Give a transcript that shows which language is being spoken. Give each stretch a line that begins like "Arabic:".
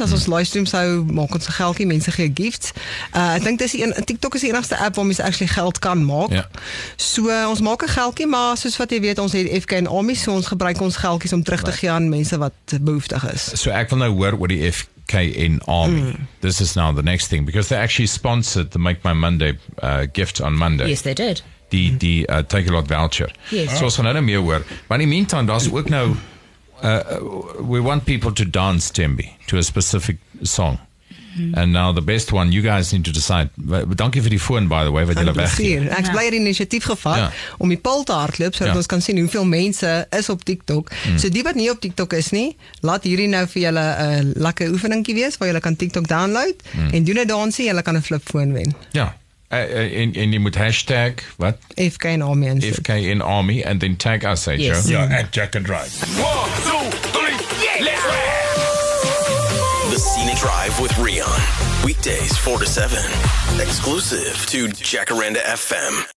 Afrikaans: As ons livestreams hou, maak ons 'n geldjie. Mense gee gifts. Ek dink TikTok is die enigste app waar mense actually geld kan maak. Ja. So, ons maak 'n geldjie, maar soos wat jy weet, ons het FK en AMI, so ons gebruik ons geldjies om terug te gee aan mense wat behoeftig is. So, ek wil nou hoor oor die FK en AMI. Mm.
English: This is now the next thing, because they actually sponsored the Make My Monday gift on Monday. Yes, they did.
Afrikaans: Die Take A Lot voucher.
English: Yes.
Afrikaans: So, ons gaan nou meer hoor. Maar in die meantime, daar is ook nou...
English: we want people to dance, Thembi, to a specific song. Mm-hmm. And now the best one, you guys need to decide. Thank you for the phone, by the way,
Afrikaans: wat jy weg hier. Ek is blij die initiatief gevat om die poll te hardloop, so dat ons kan sien hoeveel mense is op TikTok. Mm. So die wat nie op TikTok is nie, laat hierdie nou vir julle een lekker oefeningkie wees, waar julle kan TikTok download, en doen een dansie, julle kan een flip phone wen. Ja. En jy moet hashtag, wat? FK in Army.
English: FK in Army, and then tag us, eh, Joe? Yes. Yeah, at Jack and Drive. 1, 2, 3, let's go! The Scenic Drive with Rian. Weekdays 4 to 7. Exclusive to Jacaranda FM.